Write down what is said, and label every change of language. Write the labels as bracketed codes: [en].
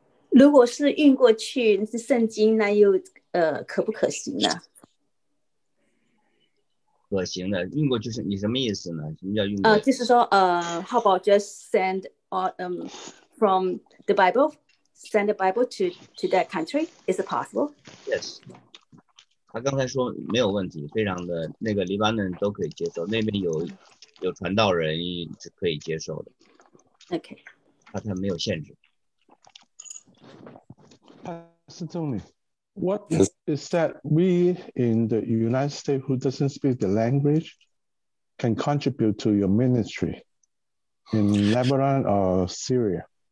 [zh] 如果是运过去是圣经，那又可不可行呢？可行的，运过去是你什么意思呢？什么叫运过去？就是说 [en] how about just send from the Bible, send the Bible to that country? Is it possible? Yes. [zh] 他刚才说没有问题，非常的那个黎巴嫩都可以接受，那边有传道人是可以接受的。 [en] OK， [zh] 他没有限制。 [en] Pastor Tony, what is that we in the United States who doesn't speak the language can contribute to your ministry in Lebanon or Syria?